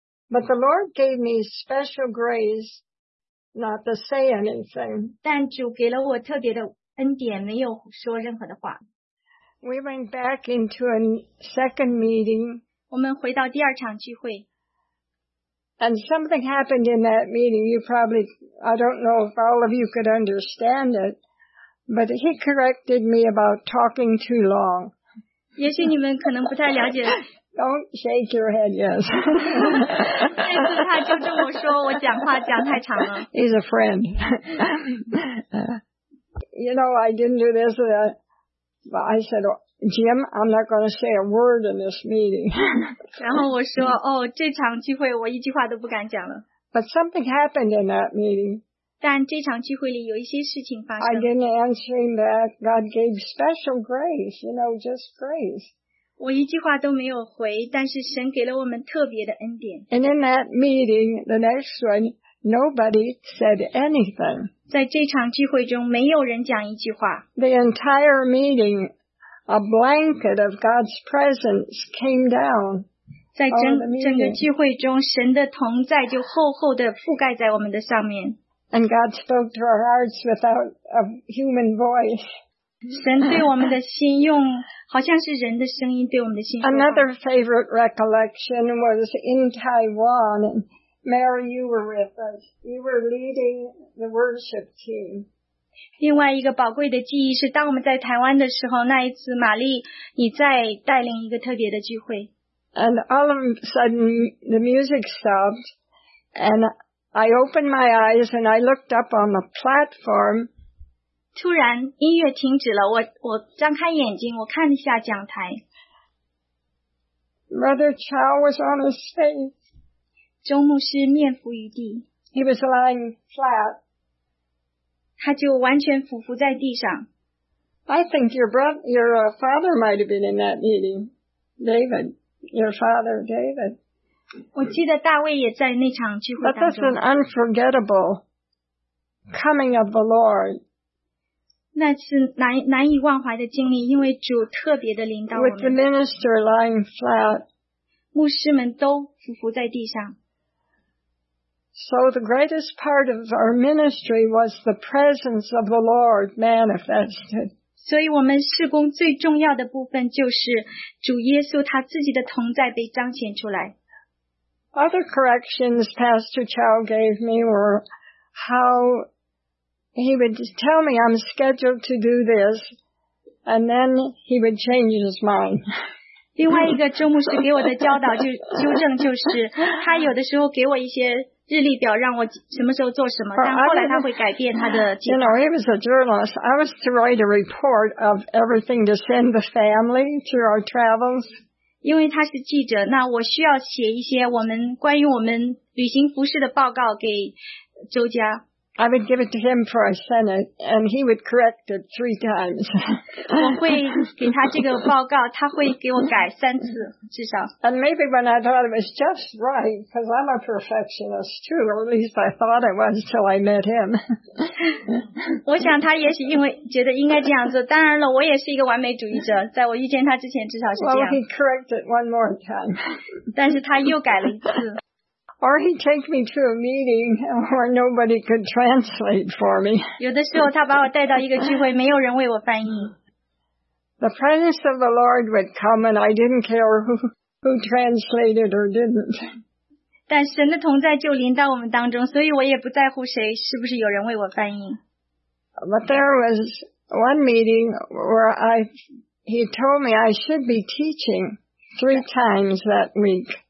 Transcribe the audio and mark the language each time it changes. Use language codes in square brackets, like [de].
[en] But the Lord gave me special grace not to say anything. [zh] 但主给了我特别的恩典，没有说任何的话。 [en] We went back into a second meeting. [zh] 我们回到第二场聚会。 [en] And something happened in that meeting. You probably, I don't know if all of you could understand it, but he corrected me about talking too long. [zh] 也许你们可能不太了解。 [en] Don't shake your head, yes. He's a friend. You know, I didn't do this. I said, Jim, I'm not going to say a word in this meeting. [zh] 然后我说，哦，这场聚会我一句话都不敢讲了。 [en] But something happened in that meeting. [zh] 但这场聚会里有一些事情发生。 [en] I didn't answer him back. God gave special grace, you know, just grace. [zh] 我一句话都没有回，但是神给了我们特别的恩典。 [en] And in that meeting, the next one, nobody said anything. [zh] 在这场聚会中，没有人讲一句话。 [en] The entire meeting. A blanket of God's presence came down. [zh] 在整个聚会中，神的同在就厚厚地覆盖在我们的上面。 [en] And God spoke to our hearts without a human voice. [zh] 神对我们的心用，好像是人的声音对我们的心。 [en] Another favorite recollection was in Taiwan. Mary, you were with us. You were leading the worship team. [zh] 另外一个宝贵的记忆是，当我们在台湾的时候，那一次玛丽你在带领一个特别的聚会。 [en] And all of a sudden the music stopped, and I opened my eyes and I looked up on the platform. [zh] 突然音乐停止了，我张开眼睛，我看一下讲台。 [en] Brother Chow was on his face. [zh] 周牧师面伏于地。 [en] He was lying flat. [zh] 他就完全俯伏在地上。 [en] I think your father might have been in that meeting, David. Your father, David. [zh] 我记得大卫也在那场聚会当中。 [en] But that's an unforgettable coming of the Lord. [zh] 那是难以忘怀的经历，因为主特别的临到我们。 [en] With the minister lying flat. [zh] 牧师们都俯伏在地上。 [en] So the greatest part of our ministry was the presence of the Lord manifested. [zh] 所以我们事工最重要的部分就是主耶稣他自己的同在被彰显出来。 [en] Other corrections Pastor Chow gave me were how he would tell me I'm scheduled to do this, and then he would change his mind. [zh] 另外一个周牧师给我的教导就纠正就是他有的时候给我一些日历表让我什么时候做什么，但后来他会改变他的计划。 [en] You know, he was a journalist. I was to write a report of everything to send the family through our travels. [zh] 因为他是记者，那我需要写一些我们关于我们旅行服饰的报告给周家。 [en] I would give it to him for a Senate, and he would correct it three times. [zh] 我会给他这个报告，他会给我改三次至少。 [en] And maybe when I thought it was just right, because I'm a perfectionist too, or at least I thought I was till I met him. [zh] 我想他也许因为觉得应该这样做，当然了，我也是一个完美主义者，在我遇见他之前至少是这样。 [en] Well, he corrected one more time. [zh] 但是他又改了一次。 [en] Or he'd take me to a meeting where nobody could translate for me. [zh] 有的时候他把我带到一个聚会，没有人为我翻译。 [en] The presence of the Lord would come, and I didn't care who translated or didn't. [zh] 但神的同在就临到我们当中，所以我也不在乎谁是不是有人为我翻译。 [en] But there was one meeting where he told me I should be teaching three times that week.